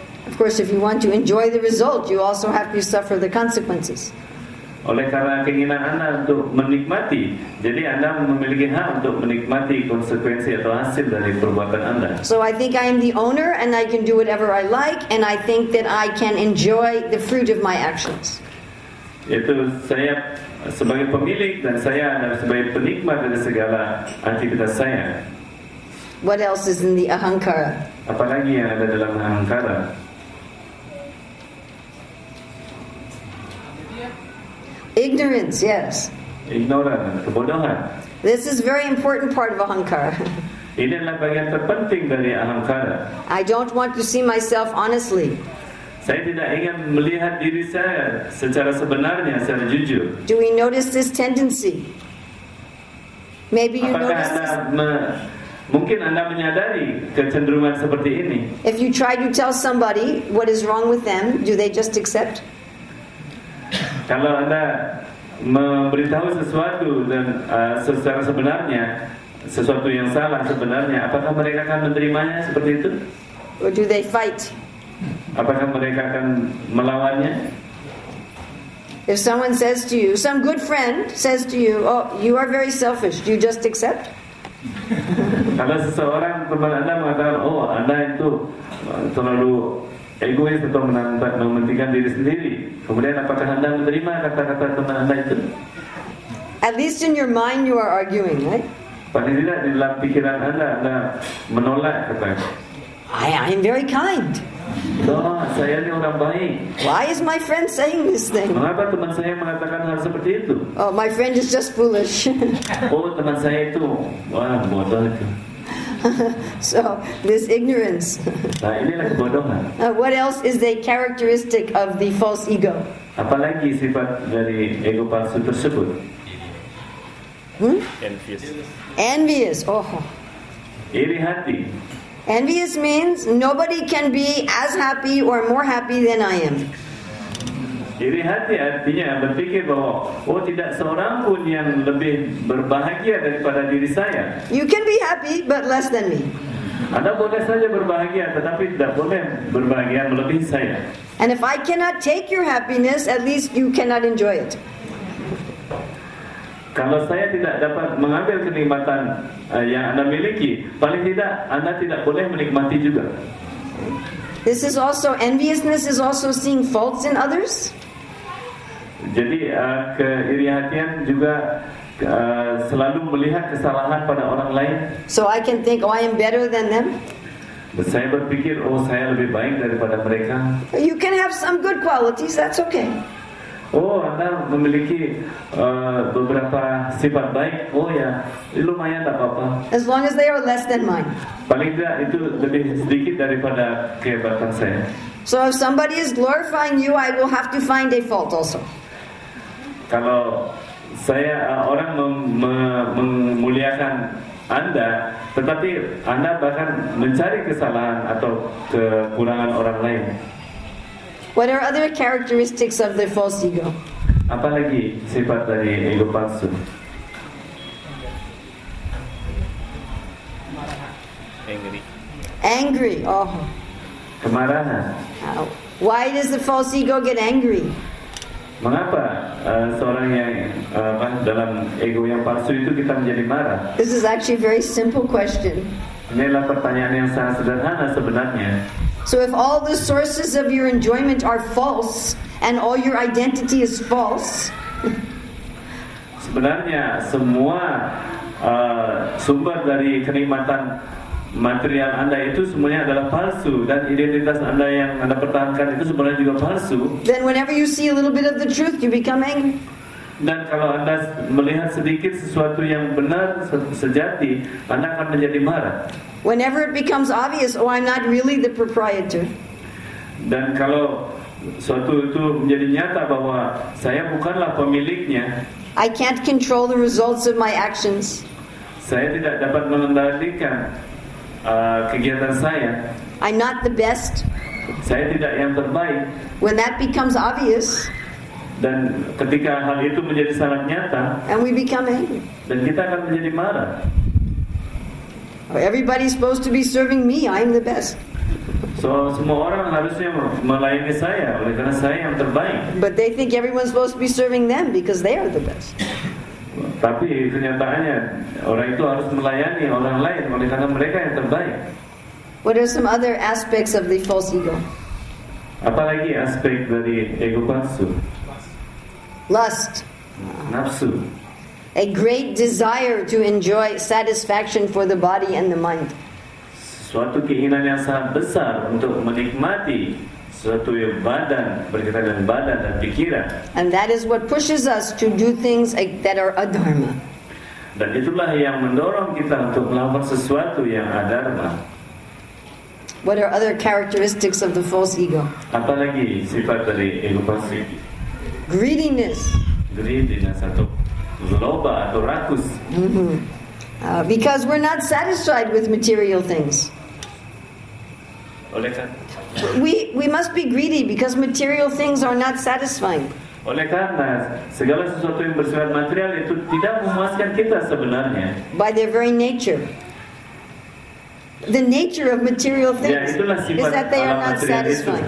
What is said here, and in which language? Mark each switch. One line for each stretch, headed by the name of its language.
English: Of course, if you want to enjoy the result, you also have to suffer the consequences.
Indonesian: Oleh karena keinginan Anda untuk menikmati, jadi Anda memiliki hak untuk menikmati konsekuensi atau hasil dari perbuatan Anda.
English: So I think I am the owner and I can do whatever I like and I think that I can enjoy the fruit of my actions.
Indonesian: Itu saya sebagai pemilik dan saya adalah sebagai penikmat dari segala aktivitas saya.
English: What else is in the ahankara?
Indonesian: Apalagi yang ada dalam ahankara?
English: Ignorance, yes.
Indonesian: Ignorance, kebodohan.
English: This is a very important part of ahankara.
Indonesian: Ini adalah bagian terpenting dari ahankara.
English: I don't want to see myself honestly.
Indonesian: Saya tidak ingin melihat diri saya secara sebenarnya, secara jujur.
English: Do we notice this tendency? Maybe you notice this.
Indonesian: Mungkin Anda menyadari kecenderungan seperti ini.
English: If you try to tell somebody what is wrong with them, do they just accept?
Indonesian: Kalau Anda memberitahu sesuatu dan secara sebenarnya sesuatu yang salah sebenarnya, apakah mereka akan menerimanya seperti itu?
English: Or do they fight?
Indonesian: Apakah mereka akan melawannya?
English: If someone says to you, some good friend says to you, oh, you are very selfish, do you just accept?
Indonesian: Kalau seseorang teman Anda mengatakan, oh, Anda itu terlalu egois atau mementingkan diri sendiri, kemudian apakah Anda menerima kata-kata teman Anda itu?
English: At least in your mind you are arguing, right?
Indonesian: Paling tidak di dalam pikiran Anda, Anda menolak katanya.
English: I am very kind.
Indonesian: Oh, saya ini orang baik.
English: Why is my friend saying this thing?
Indonesian: Mengapa teman saya mengatakan hal seperti itu?
English: Oh, my friend is just foolish.
Indonesian: Oh, teman saya itu, wah, bodoh itu.
English: So, this ignorance.
Indonesian: Nah, inilah kebodohan.
English: What else is the characteristic of the false ego?
Indonesian: Apalagi sifat dari ego palsu tersebut?
English: Envious. Oh.
Indonesian: Iri hati.
English: Envious means nobody can be as happy or more happy than I am.
Indonesian: Iri hati artinya berpikir bahwa oh tidak seorang pun yang lebih berbahagia daripada diri saya.
English: You can be happy but less than me.
Indonesian: Anda boleh saja berbahagia tetapi tidak boleh berbahagia melebihi saya.
English: And if I cannot take your happiness, at least you cannot enjoy it.
Indonesian: Kalau saya tidak dapat mengambil kenikmatan yang Anda miliki, paling tidak Anda tidak boleh menikmati juga.
English: This is also enviousness is also seeing faults in others.
Indonesian: Jadi keiri hatian juga selalu melihat kesalahan pada orang lain.
English: So I can think, oh, I am better than them.
Indonesian: Saya berpikir, oh, saya lebih baik daripada mereka.
English: You can have some good qualities, that's okay.
Indonesian: Oh, Anda memiliki beberapa sifat baik. Oh ya, lumayan tak apa-apa.
English: As long as they are less than mine.
Indonesian: Paling tidak itu lebih sedikit daripada kehebatan saya.
English: So if somebody is glorifying you, I will have to find a fault also.
Indonesian: Kalau saya orang memuliakan Anda, tetapi Anda bahkan mencari kesalahan atau kekurangan orang lain.
English: What are other characteristics of the false ego?
Indonesian: Apa lagi sifat dari ego palsu?
English: Angry. Oh.
Indonesian: Kemarahan.
English: Why does the false ego get angry?
Indonesian: Mengapa seorang yang dalam ego yang palsu itu kita menjadi marah?
English: This is actually a very simple question.
Indonesian: Inilah pertanyaan yang sangat sederhana sebenarnya.
English: So if all the sources of your enjoyment are false and all your identity is false.
Indonesian: Sebenarnya semua sumber dari kenikmatan material Anda itu semuanya adalah palsu dan identitas Anda yang Anda pertahankan itu sebenarnya juga palsu.
English: Then whenever you see a little bit of the truth, you become angry.
Indonesian: Dan kalau Anda melihat sedikit sesuatu yang benar sejati, Anda akan menjadi marah.
English: Whenever it becomes obvious, oh, I'm not really the proprietor.
Indonesian: Dan kalau suatu itu menjadi nyata bahwa saya bukanlah pemiliknya.
English: I can't control the results of my actions.
Indonesian: saya tidak dapat mengendalikan kegiatan saya.
English: I'm not the best.
Indonesian: Saya tidak yang terbaik.
English: When that becomes obvious.
Indonesian: Dan ketika hal itu menjadi sangat nyata.
English: And we become angry.
Indonesian: Dan kita akan menjadi marah.
English: Everybody's supposed to be serving me. I'm the best.
Indonesian: So semua orang harusnya melayani saya, oleh karena saya yang terbaik.
English: But they think everyone's supposed to be serving them because they are the best.
Indonesian: Tapi kenyataannya orang itu harus melayani orang lain, oleh karena mereka yang terbaik.
English: What are some other aspects of the false ego?
Indonesian: Apalagi aspek dari ego palsu?
English: Lust.
Indonesian: Nafsu.
English: A great desire to enjoy satisfaction for the body and the mind.
Indonesian: Suatu keinginan yang sangat besar untuk menikmati suatu badan, berkaitan dengan badan dan pikiran.
English: And that is what pushes us to do things that are adharma.
Indonesian: Dan itulah yang mendorong kita untuk melakukan sesuatu yang adharma.
English: What are other characteristics of the false ego?
Indonesian: Apalagi sifat dari ego palsu?
English: Greediness.
Indonesian: Greediness atau zloba atau rakus.
English: Because we're not satisfied with material things.
Indonesian: Oleh karena
English: we must be greedy because material things are not satisfying.
Indonesian: Oleh karena segala sesuatu yang bersifat material itu tidak memuaskan kita sebenarnya.
English: By their very nature. The nature of material things is that they are not satisfying.